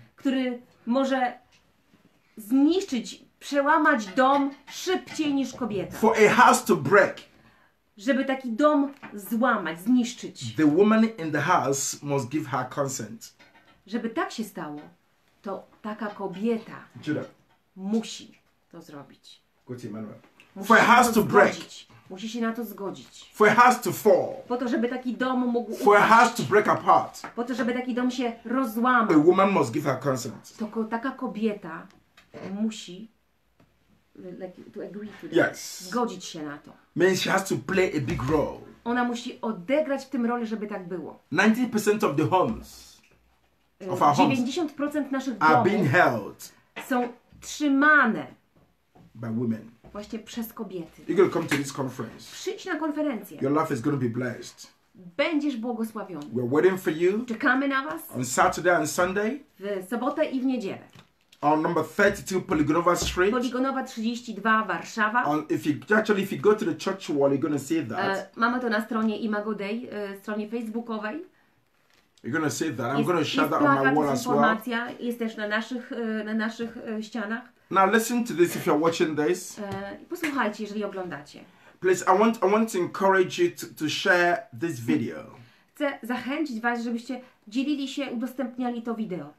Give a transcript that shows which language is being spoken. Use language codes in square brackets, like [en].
[pl] który może zniszczyć, przełamać dom szybciej niż kobieta. [en] For a house to break, [pl] żeby taki dom złamać, zniszczyć. [en] The woman in the house must give her consent. [pl] Żeby tak się stało, to taka kobieta musi to zrobić. [en] For a house to break. [pl] Musi się na to zgodzić. [en] For a house to fall. [pl] Po to, żeby taki dom mógł upaść. [en] For a house to break apart. [pl] Po to, żeby taki dom się rozłamał. [en] A woman must give her consent. [pl] To taka kobieta musi to [en] agree to. Yes. [pl] Zgodzić się na to. [en] Means she has to play a big role. [pl] Ona musi odegrać w tym rolę, żeby tak było. [en] 90% of the homes. [pl] 90% naszych domów [en] are being held. [pl] Są trzymane [en] by women. [pl] Właśnie przez kobiety. [en] You're gonna come to this conference. [pl] Przyjdź na konferencję. [en] Your life is gonna be blessed. [pl] Będziesz błogosławiony. [en] We're waiting for you. [pl] Czekamy na was. [en] On Saturday and Sunday. [pl] W sobotę i w niedzielę. [en] On number 32 Poligonowa Street. [pl] Poligonowa 32, Warszawa. [en] On, if you go to the church wall, you're gonna see that. [pl] Mamy to na stronie Imago Dei, stronie facebookowej. [en] You're gonna see that. I'm gonna share that on my wall as well. [pl] Informacja jest też na naszych ścianach. [en] Now listen to this if you're watching this. [pl] Posłuchajcie, jeżeli oglądacie. [en] Please, I want to encourage you to share this video. [pl] Chcę zachęcić was, żebyście dzielili się, udostępniali to wideo.